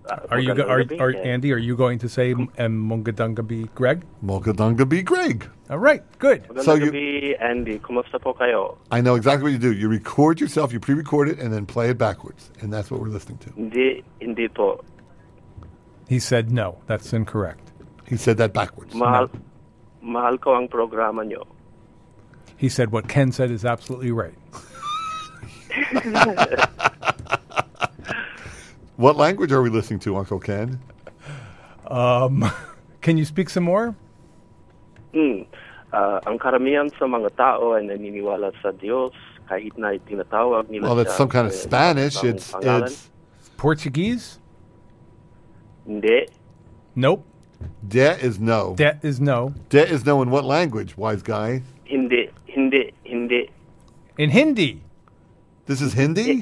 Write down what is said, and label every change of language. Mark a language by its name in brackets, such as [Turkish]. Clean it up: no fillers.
[English] Andy, are you going to say Mungadungabi Greg? Mungadungabi Greg. All right, good. [Filipino] Mungadungabi Andy, kumusta po kayo? [English] I know exactly what you do. You record yourself, you pre-record it, and then play it backwards. And that's what we're listening to. [Filipino] Hindi po. [English] He said no. That's incorrect. He said that backwards. [Filipino] Mahal ko ang programa nyo. [English] He said what Ken said is absolutely right. What language are we listening to, Uncle Ken? Can you speak some more? [Filipino] Ang karamihan sa mga tao ay naniniwala sa Diyos kahit na itinatawag nila. [English] Well, that's some kind of Spanish. It's Portuguese? [Filipino] Hindi. [English] Nope. De is no. De is no in what language, wise guy? [Filipino] Hindi. [English] In Hindi. This is Hindi?